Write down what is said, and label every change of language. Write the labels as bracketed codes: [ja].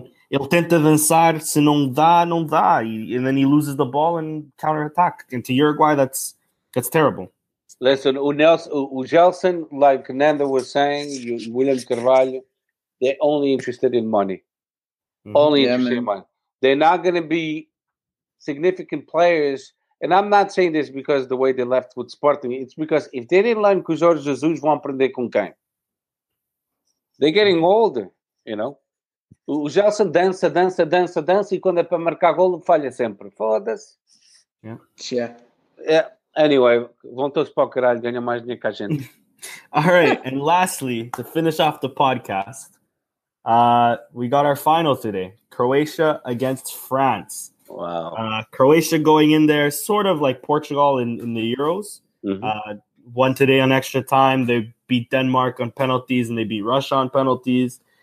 [pt] Ele tenta dançar, se não dá, não dá. [en] And then he loses the ball and counterattack. And to Uruguay, that's terrible. Listen, o Gelson, like Nando was saying, William Carvalho, they're only interested in money. Mm-hmm. Only interested in money. They're not going to be significant players. And I'm not saying this because the way they left with Sporting. It's because if they didn't learn [pt] que Jorge Jesus vão aprender com quem? [en] They're getting older, you know? [pt] O Gelson dança, e quando é para marcar golo, falha sempre. Foda-se. Yeah. [en] Anyway, [pt] vão todos para o caralho, ganha mais dinheiro que a gente. [en] All right, and lastly, to finish off the podcast, we got our final today, Croatia against France. Wow. Croatia going in there, sort of like Portugal in the Euros. Mm-hmm. Won today on extra time. They beat Denmark on penalties, and they beat Russia on penalties.